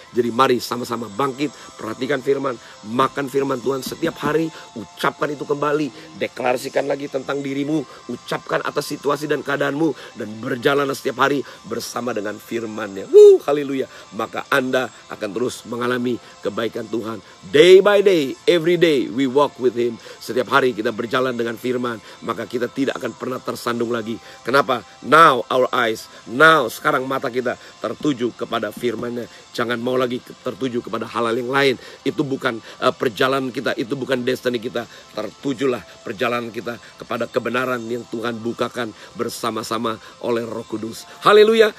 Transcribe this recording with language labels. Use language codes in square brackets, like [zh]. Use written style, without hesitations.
[id] Jadi mari sama-sama bangkit, perhatikan firman, makan firman Tuhan setiap hari, ucapkan itu kembali, deklarasikan lagi tentang dirimu, ucapkan atas situasi dan keadaanmu, dan berjalanlah setiap hari bersama dengan firman-Nya. Haleluya. Maka Anda akan terus mengalami kebaikan Tuhan. [en] Day by day, every day we walk with Him. [id] Setiap hari kita berjalan dengan firman, maka kita tidak akan pernah tersandung lagi. Kenapa? [en] Now our eyes, now [id] sekarang mata kita tertuju kepada firman-Nya. Jangan mau lagi tertuju kepada hal-hal yang lain. Itu bukan perjalanan kita, itu bukan destiny kita. Tertujulah perjalanan kita kepada kebenaran yang Tuhan bukakan bersama-sama oleh Roh Kudus. Haleluya.